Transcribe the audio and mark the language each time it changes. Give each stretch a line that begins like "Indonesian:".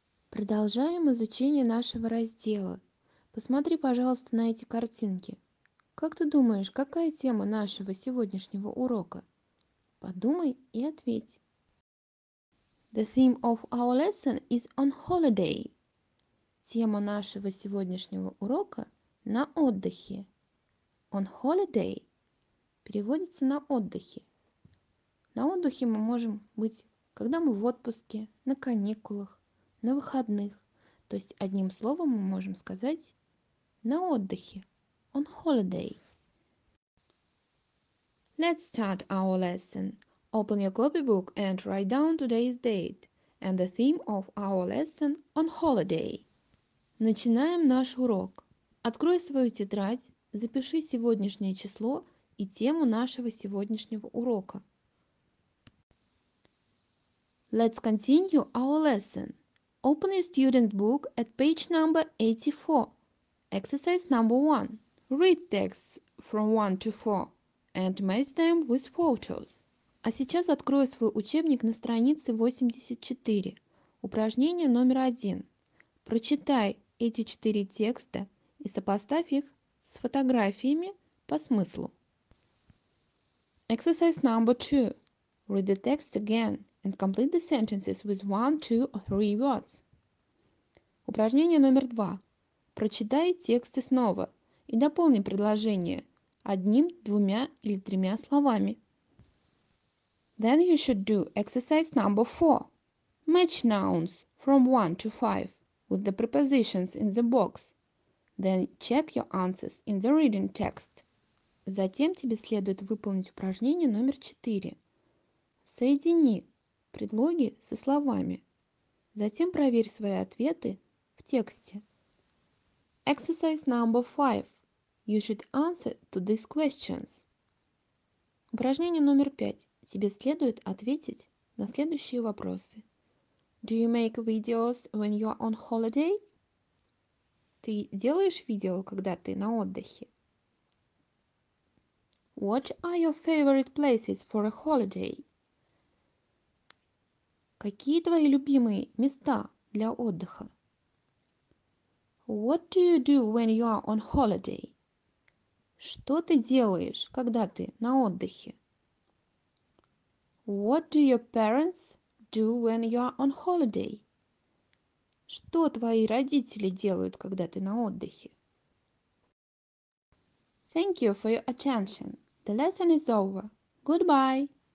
Russian: Продолжаем изучение нашего раздела. Посмотри, пожалуйста, на эти картинки. Как ты думаешь, какая тема нашего сегодняшнего урока? Подумай и ответь.
English: The theme of our lesson is on holiday.
Russian: Тема нашего сегодняшнего урока – на отдыхе.
English: On holiday
Russian: переводится на отдыхе. На отдыхе мы можем быть, когда мы в отпуске, на каникулах, на выходных. То есть одним словом мы можем сказать «на отдыхе».
English: On holiday. Let's start our lesson. Open your copybook and write down today's date and the theme of our lesson on holiday.
Russian: Начинаем наш урок. Открой свою тетрадь, запиши сегодняшнее число и тему нашего сегодняшнего урока.
English: Let's continue our lesson. Open your student book at page number 84. Exercise number 1. Read texts from 1 to 4 and match them with photos.
Russian: А сейчас открой свой учебник на странице 84. Упражнение номер 1. Прочитай эти 4 текста и сопоставь их с фотографиями по смыслу.
English: Exercise number 2. Read the text again and complete the sentences with 1, 2 or 3 words.
Russian: Упражнение номер 2. Прочитай тексты снова. И дополни предложение одним, двумя или тремя словами.
English: Then you should do exercise number 4. Match nouns from 1 to 5 with the prepositions in the box. Then check your answers in the reading text.
Russian: Затем тебе следует выполнить упражнение номер 4. Соедини предлоги со словами. Затем проверь свои ответы в тексте.
English: Exercise number 5. You should answer to these questions.
Russian: Упражнение номер 5. Тебе следует ответить на следующие вопросы.
English: Do you make videos when you are on holiday?
Russian: Ты делаешь видео, когда ты на отдыхе?
English: What are your favorite places for a holiday?
Russian: Какие твои любимые места для отдыха?
English: What do you do when you are on holiday?
Russian: Что ты делаешь, когда ты на отдыхе?
English: What do your parents do when you are on holiday?
Russian: Что твои родители делают, когда ты на отдыхе?
English: Thank you for your attention. The lesson is over. Goodbye.